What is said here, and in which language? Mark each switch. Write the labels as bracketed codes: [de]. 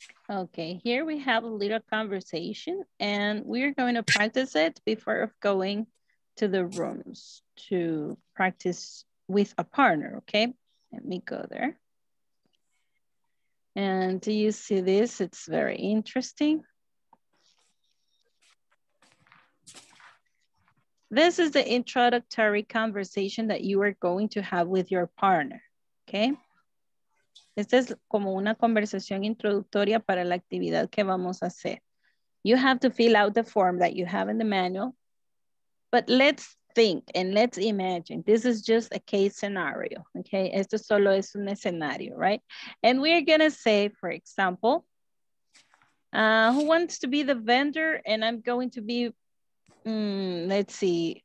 [en] Okay, here we have a little conversation and we're going to practice it before of going to the rooms to practice with a partner, okay? Let me go there. And do you see this? It's very interesting. This is the introductory conversation that you are going to have with your partner, okay? [es] Esta es como una conversación introductoria para la actividad que vamos a hacer. [en] You have to fill out the form that you have in the manual, but let's think and let's imagine. This is just a case scenario, okay? [es] Esto solo es un escenario, [en] right? And we are gonna say, for example, who wants to be the vendor and I'm going to be, let's see.